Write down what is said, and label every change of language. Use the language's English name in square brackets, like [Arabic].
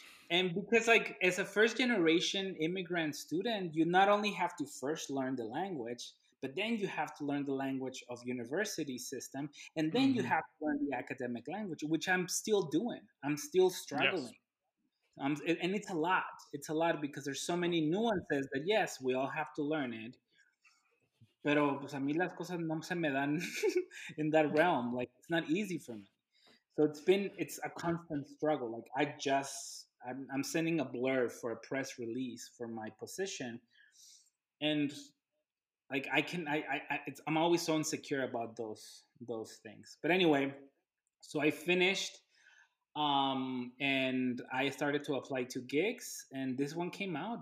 [English] And because, like, as a first generation immigrant student, you not only have to first learn the language, but then you have to learn the language of university system, and then you have to learn the academic language, which I'm still doing. I'm still struggling. Yes. And it's a lot. It's a lot because there's so many nuances that, yes, we all have to learn it. [Spanish] Pero pues, a mí las cosas no se me dan [English] in that realm. Like, it's not easy for me. So it's a constant struggle. Like, I'm sending a blur for a press release for my position. And, like, I'm always so insecure about those things. But anyway, so I finished, and I started to apply to gigs, and this one came out.